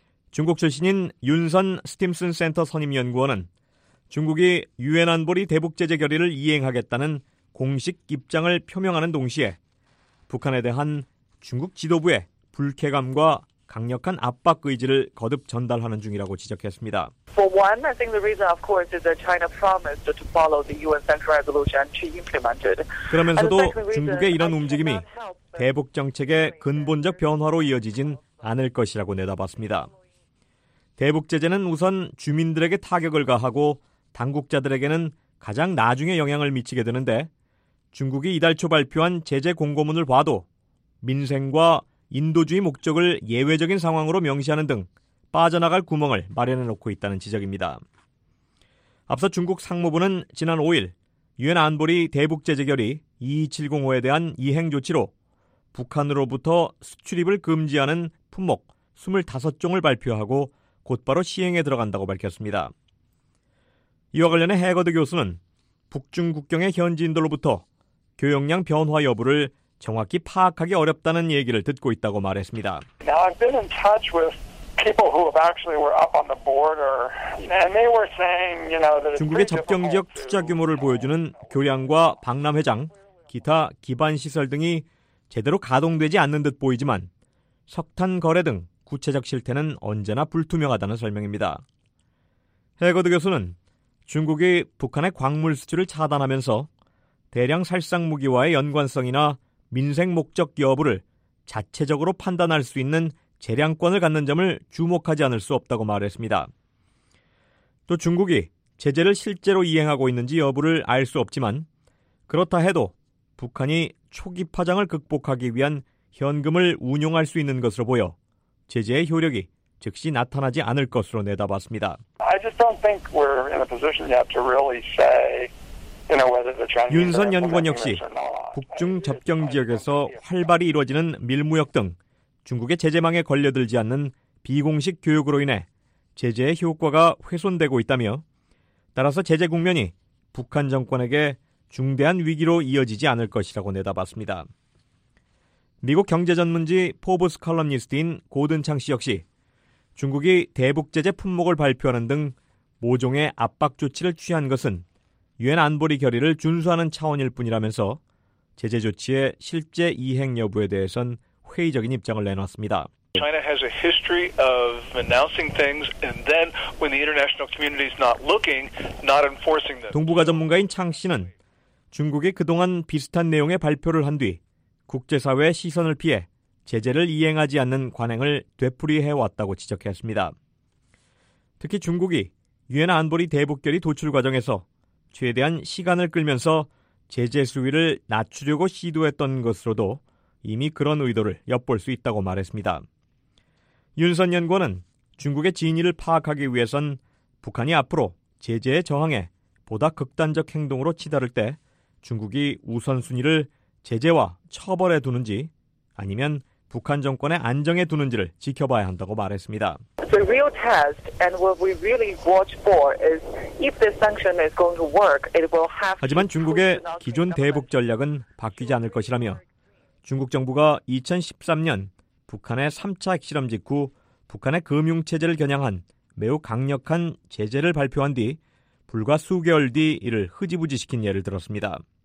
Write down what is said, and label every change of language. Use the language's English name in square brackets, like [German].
[Korean] 중국 출신인 윤선 스팀슨 센터 선임연구원은 중국이 유엔 안보리 대북 제재 결의를 이행하겠다는 공식 입장을 표명하는 동시에 북한에 대한 중국 지도부의 불쾌감과 강력한 압박 의지를 거듭 전달하는 중이라고 지적했습니다. [English] For one, I think the reason, of course, is that China promised to follow the UN sanctuary resolution to implement it. [Korean] 그러면서도 중국의 이런 움직임이 대북 정책의 근본적 변화로 이어지진 않을 것이라고 내다봤습니다. 대북 제재는 우선 주민들에게 타격을 가하고 당국자들에게는 가장 나중에 영향을 미치게 되는데 중국이 이달 초 발표한 제재 공고문을 봐도 민생과 인도주의 목적을 예외적인 상황으로 명시하는 등 빠져나갈 구멍을 마련해놓고 있다는 지적입니다. 앞서 중국 상무부는 지난 5일 유엔 안보리 대북제재 결의 2705에 대한 이행조치로 북한으로부터 수출입을 금지하는 품목 25종을 발표하고 곧바로 시행에 들어간다고 밝혔습니다. 이와 관련해 해거드 교수는 북중 국경의 현지인들로부터 교역량 변화 여부를 정확히 파악하기 어렵다는 얘기를 듣고 있다고 말했습니다. [English] Now I've been in touch with people who have actually were up on the border and they were saying, you know, that [Korean] 중국의 접경 지역 투자 규모를 보여주는 교량과 박람회장, 기타 기반 시설 등이 제대로 가동되지 않는 듯 보이지만 석탄 거래 등 구체적 실태는 언제나 불투명하다는 설명입니다. 해거드 교수는 중국이 북한의 광물 수출을 차단하면서 대량 살상 무기와의 연관성이나 민생 목적 여부를 자체적으로 판단할 수 있는 재량권을 갖는 점을 주목하지 않을 수 없다고 말했습니다. 또 중국이 제재를 실제로 이행하고 있는지 여부를 알 수 없지만 그렇다 해도 북한이 초기 파장을 극복하기 위한 현금을 운용할 수 있는 것으로 보여 제재의 효력이 즉시 나타나지 않을 것으로 내다봤습니다. [English] I just don't think we're in a position yet to really say [Korean] 윤선 연구원 역시 북중 접경 지역에서 활발히 이루어지는 밀무역 등 중국의 제재망에 걸려들지 않는 비공식 교육으로 인해 제재의 효과가 훼손되고 있다며 따라서 제재 국면이 북한 정권에게 중대한 위기로 이어지지 않을 것이라고 내다봤습니다. 미국 경제전문지 포브스 컬럼니스트인 고든창 씨 역시 중국이 대북 제재 품목을 발표하는 등 모종의 압박 조치를 취한 것은 유엔 안보리 결의를 준수하는 차원일 뿐이라면서 제재 조치의 실제 이행 여부에 대해선 회의적인 입장을 내놨습니다. [English] China has a history of announcing things and then when the international community is not looking, not enforcing them. [Korean] 동북아 전문가인 창 씨는 중국이 그동안 비슷한 내용의 발표를 한 뒤 국제사회의 시선을 피해 제재를 이행하지 않는 관행을 되풀이해 왔다고 지적했습니다. 특히 중국이 유엔 안보리 대북 결의 도출 과정에서 최대한 시간을 끌면서 제재 수위를 낮추려고 시도했던 것으로도 이미 그런 의도를 엿볼 수 있다고 말했습니다. 윤선 연구원은 중국의 진위를 파악하기 위해선 북한이 앞으로 제재에 저항해 보다 극단적 행동으로 치달을 때 중국이 우선순위를 제재와 처벌에 두는지 아니면 북한 정권의 안정에 두는지를 지켜봐야 한다고 말했습니다. [English] The real test and what we really watch for is if the sanction is going to work, it will have. [Korean] 하지만 중국의 기존 대북 전략은 바뀌지 않을 것이라며 중국 정부가 2013년 북한의 3차 핵실험 직후 북한의 금융 체제를 겨냥한 매우 강력한 제재를 발표한 뒤 불과 수개월 뒤 이를 흐지부지시킨 예를 들었습니다.